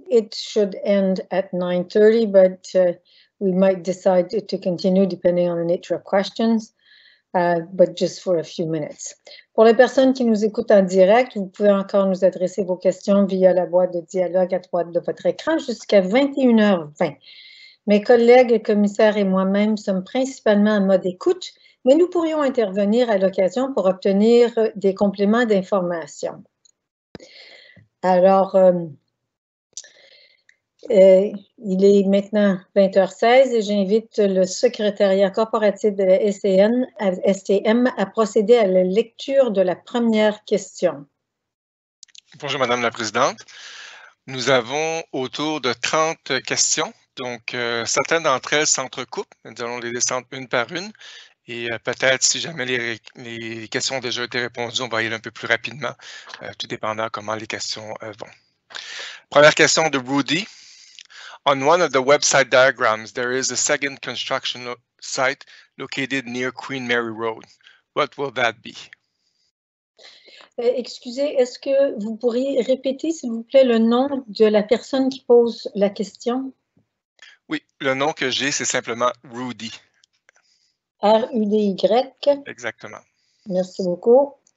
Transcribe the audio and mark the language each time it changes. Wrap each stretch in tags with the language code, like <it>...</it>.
<en>It should end at 9:30, but we might decide to continue depending on the nature of questions, but just for a few minutes.</en> <fr>Pour les personnes qui nous écoutent en direct, vous pouvez encore nous adresser vos questions via la boîte de dialogue à droite de votre écran jusqu'à 21h20. Mes collègues, le commissaire et moi-même sommes principalement en mode écoute, mais nous pourrions intervenir à l'occasion pour obtenir des compléments d'information. Alors, il est maintenant 20h16 et j'invite le secrétariat corporatif de la STM à procéder à la lecture de la première question. Bonjour Madame la Présidente. Nous avons autour de 30 questions, donc certaines d'entre elles s'entrecoupent. Nous allons les descendre une par une et peut-être si jamais les questions ont déjà été répondues, on va y aller un peu plus rapidement, tout dépendant comment les questions vont. Première question de Rudy.</fr> <en>On one of the website diagrams, there is a second construction site located near Queen Mary Road. What will that be?</en> <fr>Excusez, est-ce que vous pourriez répéter, s'il vous plaît, le nom de la personne qui pose la question? Oui, le nom que j'ai, c'est simplement Rudy. R-U-D-Y. Exactement. Merci beaucoup.</fr>